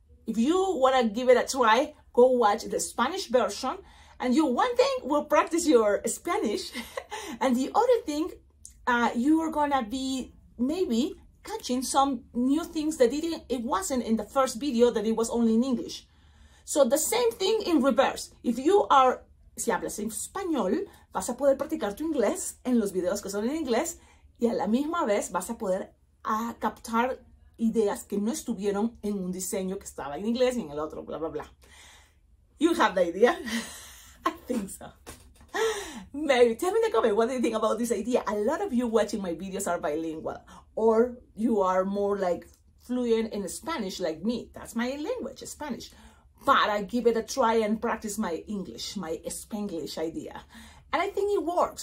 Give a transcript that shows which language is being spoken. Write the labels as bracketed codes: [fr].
[en] If you wanna give it a try, go watch the Spanish version. And you, one thing, will practice your Spanish. And the other thing, you are gonna be maybe catching some new things that it wasn't in the first video, that it was only in English. So the same thing in reverse. If you are, [es] si hablas en español, vas a poder practicar tu inglés en los videos que son en inglés y a la misma vez vas a poder captar ideas que no estuvieron en un diseño que estaba en inglés y en el otro, bla, bla, bla. [en] You have the idea? I think so. Maybe, tell me in the comment, what do you think about this idea? A lot of you watching my videos are bilingual or you are more like fluent in Spanish like me. That's my language, Spanish. But I give it a try and practice my English, my Spanglish idea. And I think it works.